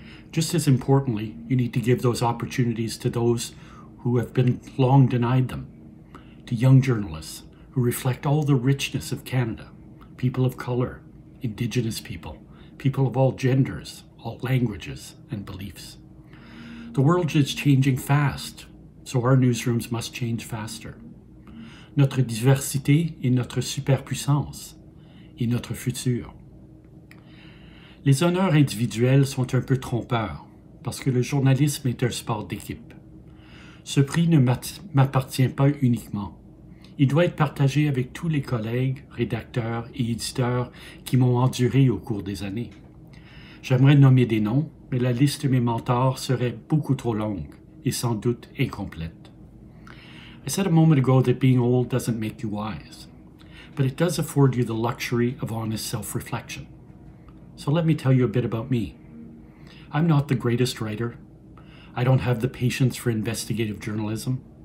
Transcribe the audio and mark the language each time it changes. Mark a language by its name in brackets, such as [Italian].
[English] Just as importantly, you need to give those opportunities to those who have been long denied them, to young journalists who reflect all the richness of Canada, people of color, Indigenous people, people of all genders, all languages, and beliefs. The world is changing fast, so our newsrooms must change faster. [French] Notre diversité est notre superpuissance et notre futur. Les honneurs individuels sont un peu trompeurs parce que le journalisme est un sport d'équipe. Ce prix ne m'appartient pas uniquement. Il doit être partagé avec tous les collègues, rédacteurs et éditeurs qui m'ont enduré au cours des années. J'aimerais nommer des noms, mais la liste de mes mentors serait beaucoup trop longue et sans doute incomplète. [English] I said a moment ago that being old doesn't make you wise, but it does afford you the luxury of honest self-reflection. So let me tell you a bit about me. I'm not the greatest writer. I don't have the patience for investigative journalism.